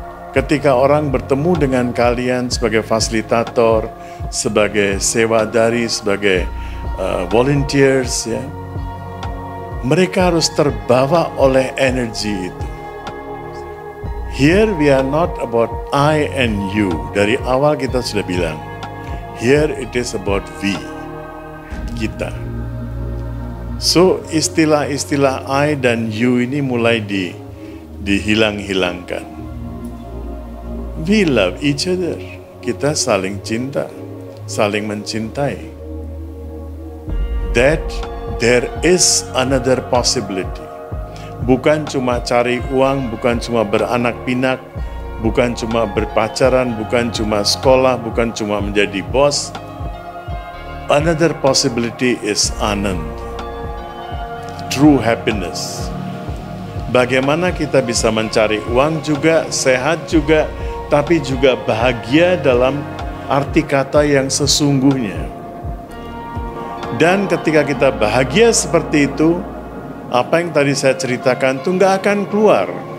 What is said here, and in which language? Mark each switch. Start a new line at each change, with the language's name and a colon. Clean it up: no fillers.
Indonesian: Ketika orang bertemu dengan kalian sebagai fasilitator, sebagai sewadari, sebagai volunteers, ya, mereka harus terbawa oleh energi itu.
English: Here we are not about I and you.
Indonesian: Dari awal kita sudah bilang,
English: here it is about we,
Indonesian: kita. So istilah-istilah I dan you ini mulai dihilang-hilangkan.
English: We love each other.
Indonesian: Kita saling cinta, saling mencintai.
English: That there is another possibility. Bukan cuma cari uang, bukan cuma beranak pinak, bukan cuma berpacaran, bukan cuma sekolah, bukan cuma menjadi bos. Another possibility is Anand. True happiness.
Indonesian: Bagaimana kita bisa mencari uang juga, sehat juga, tapi juga bahagia dalam arti kata yang sesungguhnya. Dan ketika kita bahagia seperti itu, apa yang tadi saya ceritakan itu nggak akan keluar.